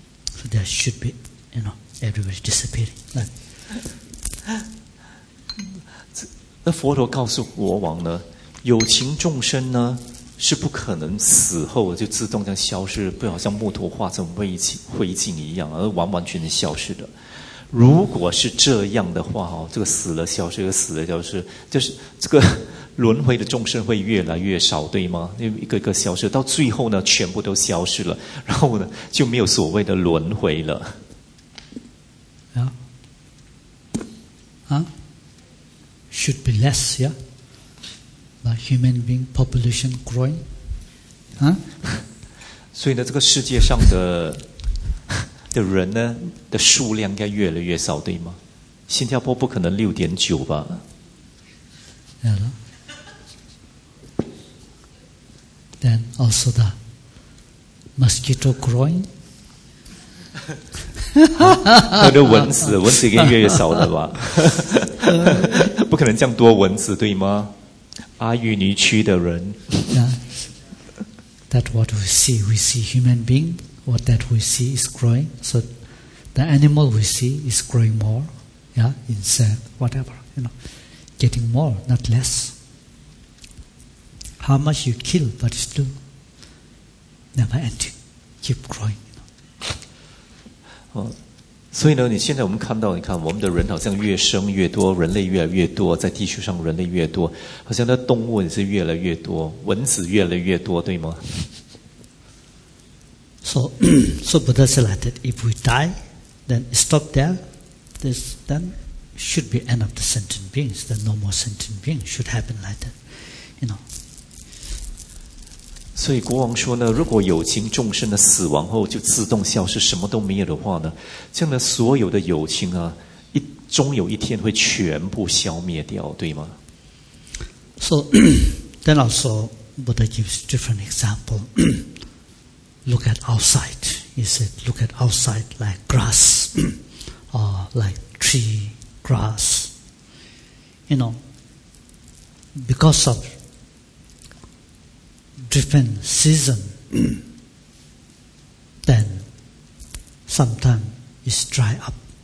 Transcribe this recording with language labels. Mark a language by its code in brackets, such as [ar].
[en] So there should be, you know, everybody disappearing. Like, [zh] 那佛陀告诉国王呢，有情众生呢是不可能死后就自动这样消失，不要像木头化成灰烬一样而完完全的消失的。如果是这样的话，这个死了消失，这个死了消失，就是这个轮回的众生会越来越少，对吗？一个一个消失，到最后呢全部都消失了，然后呢就没有所谓的轮回了。 [en] 啊、yeah. huh? Should be less, yeah? But human being population growing? Huh? [zh] 所以呢这个世界上的的人呢的数量应该越来越少，对吗？新加坡不可能 6.9 吧？ [en] Hello? Then also the mosquito growing? [zh] 那个蚊子，蚊子应该越来越少了吧？不可能这样多蚊子，对吗？阿育尼区的人。 [en] Yeah. That what we see human being, what that we see is growing. So the animal we see is growing more, yeah, insect, whatever, you know, getting more, not less. How much you kill, but still never ending, keep growing. You know. [zh] 所以呢你现在我们看到，你看我们的人好像越生越多，人类越来越多，在地球上人类越多，好像那动物也是越来越多，蚊子越来越多，对吗？ [en] So Buddha said like that, if we die then stop there, this then should be end of the sentient beings, then no more sentient beings should happen like that, you know. [zh] 所以国王说呢，如果有情众生的死亡后就自动消失，什么都没有的话呢，这样呢所有的有情啊一终有一天会全部消灭掉，对吗？ [en] So then also Buddha gives different example. Look at outside. He said look at outside like grass or like tree grass, you know, because of different season, then sometimes it's dry up.